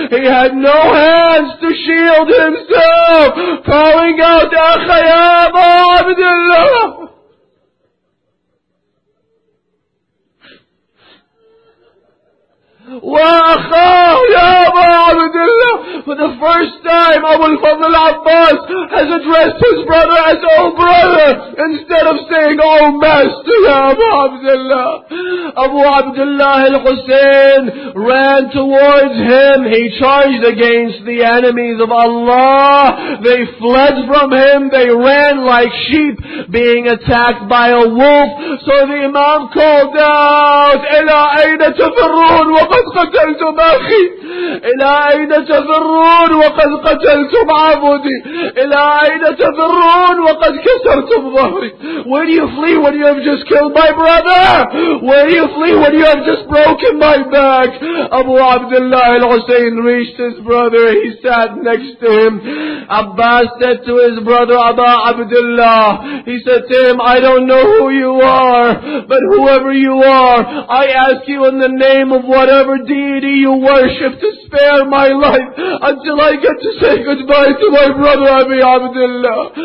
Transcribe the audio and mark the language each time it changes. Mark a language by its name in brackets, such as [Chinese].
[English] He had no hands to shield himself, calling out, [Arabic] أَخَ يَا أَبَا عَبْدِ اللَّهِ [English] وَأَخَا يَا أَبَا عَبْدِ اللَّهِ. For the first time, Abu al-Fadl Abbas has addressed his brother as, oh brother, instead of saying, oh master, Abu Abdullah. Abu Abdullah al-Hussein ran towards him. He charged against the enemies of Allah. They fled from him. They ran like sheep being attacked by a wolf. So the Imam called out, [Arabic] إِلَىٰ أَيْنَ تَفِرُّونَ وَقَدْ قَتَلْتُ بَخِي. إلى أين تفرون وقد قتلتم عبدي. إلى أين تفرون وقد كسرتم ظهري. [English] Where do you flee when you have just killed my brother? Where do you flee when you have just broken my back? Abu Abdullah al-Hussein reached his brother. He sat next to him. Abbas said to his brother Abu Abdullah, he said to him, I don't know who you are, but whoever you are, I ask you in the name of whatever deity you worship to spare my life until I get to say goodbye to my brother Abi Abdullah.